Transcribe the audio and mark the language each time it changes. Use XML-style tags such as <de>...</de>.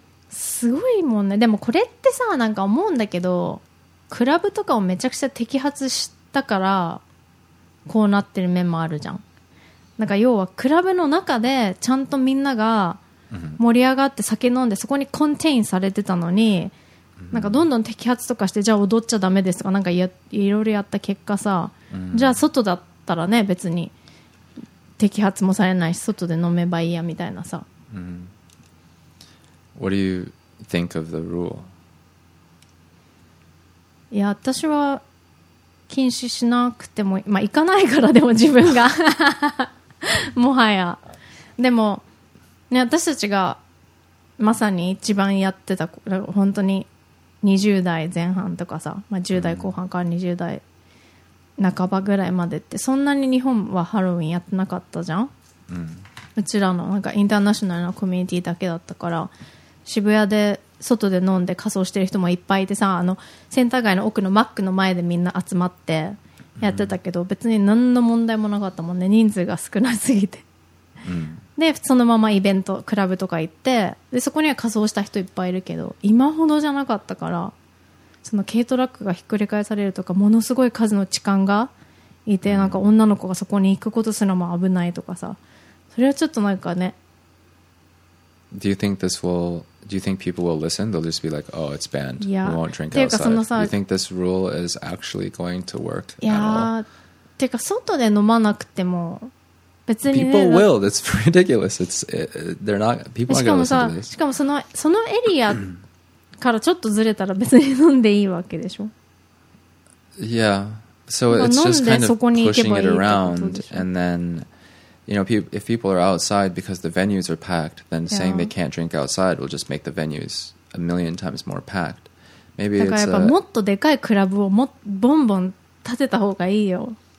<ja>すごいもんねでもこれってさなんか思うんだけどクラブとかをめちゃくちゃ摘発したからこうなってる面もあるじゃんなんか要はクラブの中でちゃんとみんなが盛り上がって酒飲んでそこにコンテインされてたのになんかどんどん摘発とかしてじゃあ踊っちゃダメですとかなんかいろいろやった結果さ、うん、じゃあ外だったらね別に摘発もされないし外で飲めばいいやみたいなさ、</ja> <en>うん、What do you think of the rule?</en> <ja>いや私は禁止しなくてもまあ行かないからでも自分がもはやでも、ね、私たちがまさに一番やってた本当に20代前半とかさ、まあ、10代後半から20代半ばぐらいまでってそんなに日本はハロウィンやってなかったじゃん、うん、うちらのなんかインターナショナルなコミュニティだけだったから渋谷で外で飲んで仮装してる人もいっぱいいてさあのセンター街の奥のマックの前でみんな集まってやってたけど、うん、別に何の問題もなかったもんね人数が少なすぎて、うん、でそのままイベントクラブとか行ってでそこには仮装した人いっぱいいるけど今ほどじゃなかったからその軽トラックがひっくり返されるとかものすごい数の痴漢がいて、うん、なんか女の子がそこに行くことすらも危ないとかさそれはちょっとなんかね</ja> <en>Do you think this will Do you think people will listen? They'll just be like Oh, it's banned</en> <ja>いや</ja> <en>We won't drink outside Do you think this rule is actually going to work?</en> <ja>いやてか外で飲まなくても別にね、</ja> <en>people will. That's ridiculous. It's they're not people are going to listen to this.</en> <ja>しかもそのエリアからちょっとずれたら別に飲んでいいわけでしょ。</ja> <en>Yeah. So it's just kind of pushing it around, and then you know, if people are outside because the venues are packed, then saying they can't drink outside will just make the venues a million times more packed. Maybe</en> <ja>だからやっぱもっとでかいクラブをボンボン立てた方がいいよ。</ja>